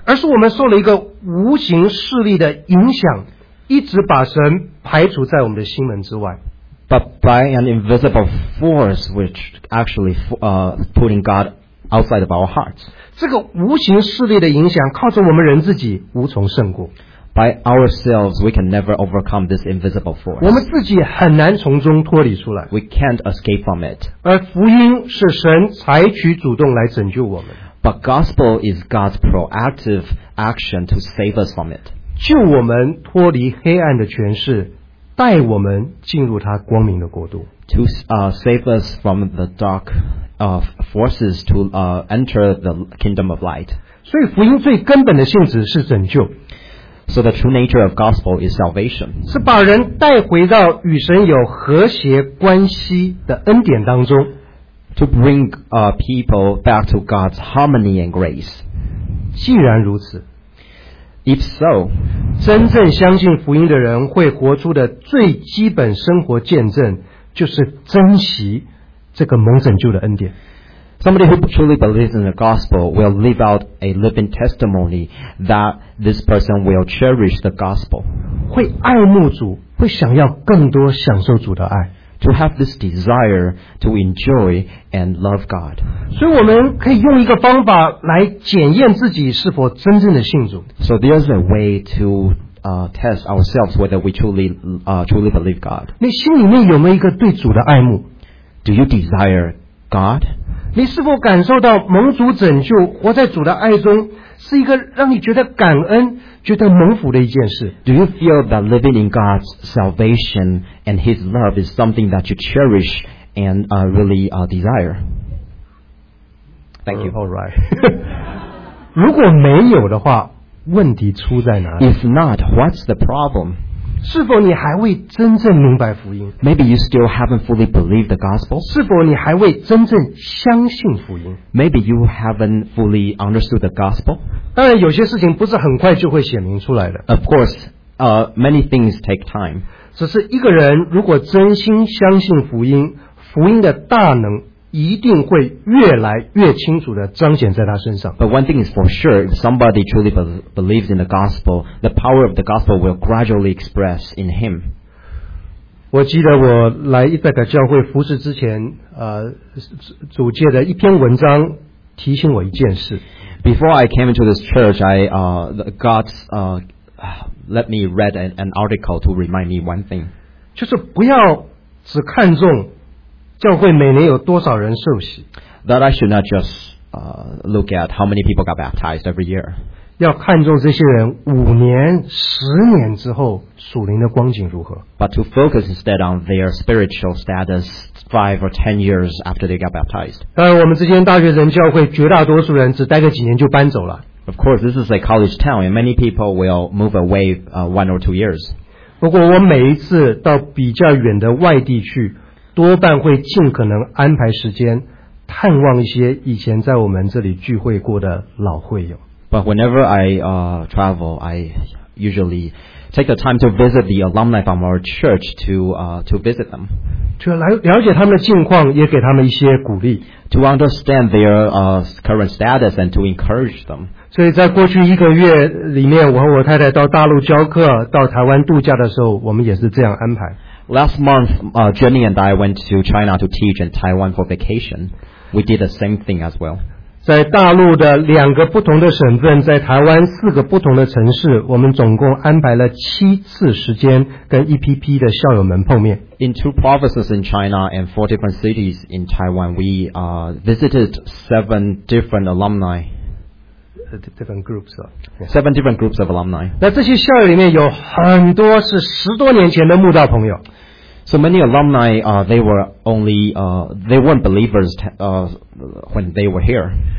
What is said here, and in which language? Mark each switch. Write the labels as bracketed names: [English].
[Chinese] 而是我们受了一个无形势力的影响，一直把神排除在我们的心门之外。 [English] But by an invisible force which actually putting God outside of our hearts. [Chinese] 这个无形势力的影响靠着我们人自己无从胜过。 [English] By ourselves we can never overcome this invisible force. [Chinese] 我们自己很难从中脱离出来。 [English] We can't escape from it. [Chinese] 而福音是神采取主动来拯救我们。 [English] But gospel is God's proactive action to save us from it. [Chinese] 救我们脱离黑暗的权势，带我们进入他光明的国度。 [English] To save us from the dark forces to enter the kingdom of light. [Chinese] 所以福音最根本的性质是拯救。 [English] So the true nature of gospel is salvation. [Chinese] 是把人带回到与神有和谐关系的恩典当中。 [English] To bring people back to God's harmony and grace. [Chinese] 既然如此， [English] If so, [Chinese] 真正相信福音的人会活出的最基本生活见证就是珍惜这个蒙拯救的恩典。 [English] Somebody who truly believes in the gospel will live out a living testimony that this person will cherish the gospel. [Chinese] 会爱慕主，会想要更多享受主的爱。 [English] To have this desire to enjoy and love God. [Chinese] 所以我们可以用一个方法来检验自己是否真正的信主。 [English] So there's a way to test ourselves whether we truly believe God. [Chinese] 你心里面有没有一个对主的爱慕？ [English] Do you desire God? [Chinese] 你是否感受到蒙主拯救，活在主的爱中，是一个让你觉得感恩，觉得蒙福的一件事。 [English] Do you feel that living in God's salvation and His love is something that you cherish and really desire? Thank you. All right. [Chinese] 如果没有的话，问题出在哪里？ [English] If not, what's the problem? [Chinese] 是否你还未真正明白福音？ [English] Maybe you still haven't fully believed the gospel. [Chinese] 是否你还未真正相信福音？ [English] Maybe you haven't fully understood the gospel. [Chinese] 当然有些事情不是很快就会显明出来的。 [English] Of course, many things take time. [Chinese] 只是一个人如果真心相信福音，福音的大能一定会越来越清楚地彰显在他身上。 [English] But one thing is for sure, if somebody truly believes in the gospel, the power of the gospel will gradually express in him. [Chinese] 我记得我来一百个教会服事之前，主借的一篇文章提醒我一件事。 [English] Before I came into this church, God let me read an article to remind me one thing. [Chinese] 就是不要只看重教会每年有多少人受洗。 [English] That I should not just look at how many people got baptized every year. [Chinese] 要看重这些人五年、十年之后属灵的光景如何。 [English] But to focus instead on their spiritual status 5 or 10 years after they got baptized. [Chinese] 当然我们这间大学生教会绝大多数人只待个几年就搬走了。 [English] Of course, this is a college town and many people will move away 1 or 2 years. [Chinese] 不过我每一次到比较远的外地去，多半会尽可能安排时间探望一些以前在我们这里聚会过的老会友。 [English] But whenever I travel, I usually take the time to visit the alumni from our church to visit them, [Chinese] 就来了解他们的近况，也给他们一些鼓励， [English] to understand their current status and to encourage them. [Chinese] 所以在过去一个月里面，我和我太太到大陆教课，到台湾度假的时候，我们也是这样安排。 [English] Last month, Jenny and I went to China to teach in Taiwan for vacation. We did the same thing as well. [Chinese] 在大陆的两个不同的省份，在台湾四个不同的城市，我们总共安排了七次时间跟 EPP 的校友们碰面。 [English] In 2 provinces in China and 4 different cities in Taiwan, we visited 7 different alumni. Different groups, yeah. 7 different groups of alumni. [Chinese] 那这些校友里面有很多是十多年前的慕道朋友。 [English] So many alumni, they weren't believers, when they were here.